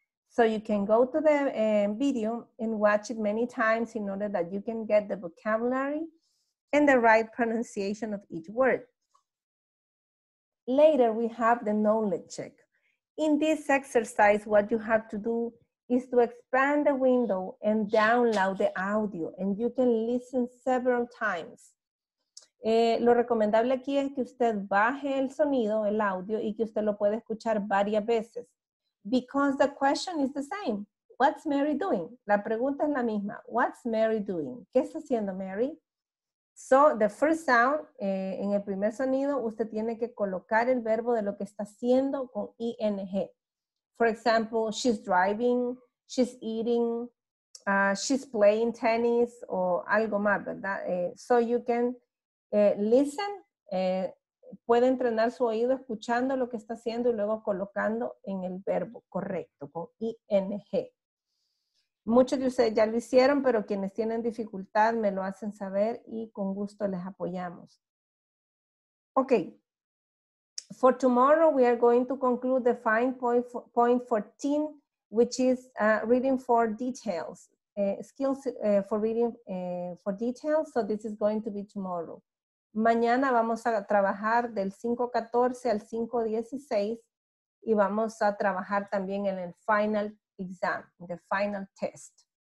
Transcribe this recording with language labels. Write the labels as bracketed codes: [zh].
[en] So you can go to the video and watch it many times in order that you can get the vocabulary and the right pronunciation of each word. Later, we have the knowledge check. In this exercise, what you have to do is to expand the window and download the audio, and you can listen several times. [es] Lo recomendable aquí es que usted baje el sonido, el audio, y que usted lo puede escuchar varias veces. [en] Because the question is the same. What's Mary doing? [es] La pregunta es la misma. [en] What's Mary doing? [es] ¿Qué está haciendo Mary? [en] So, the first sound, [es] en el primer sonido, usted tiene que colocar el verbo de lo que está haciendo con ing. [en] For example, she's driving, she's eating, she's playing tennis, [es] o algo más, ¿verdad? [en] So you can listen, [es] puede entrenar su oído escuchando lo que está haciendo y luego colocando en el verbo correcto, con ing. Muchos de ustedes ya lo hicieron, pero quienes tienen dificultad me lo hacen saber y con gusto les apoyamos. [en] Okay. For tomorrow, we are going to conclude the 5.14, which is reading for details. Skills for reading for details. So this is going to be tomorrow. [es] Mañana vamos a trabajar del 5.14 al 5.16 y vamos a trabajar también en el final exam, [en] the final test.